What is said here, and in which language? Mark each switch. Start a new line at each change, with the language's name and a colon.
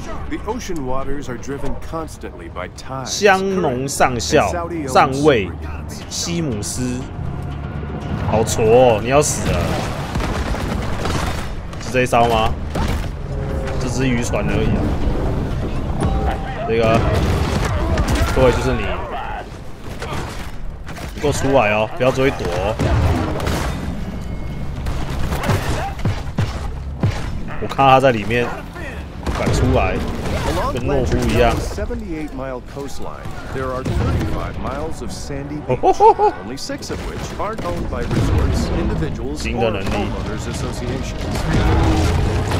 English: The ocean waters are driven constantly by tides.
Chinese: 香农上校上尉西姆斯，好挫哦，你要死了。是这一招吗？这只渔船而已、啊。这个，各位就是你，你给我出来哦，不要追躲、哦。我看到他在里面，不敢出来，跟懦夫一样。
English: 78-mile coastline, there are 35 miles of sandy beach, only six of which are owned by resorts, individuals, or homeowners associations.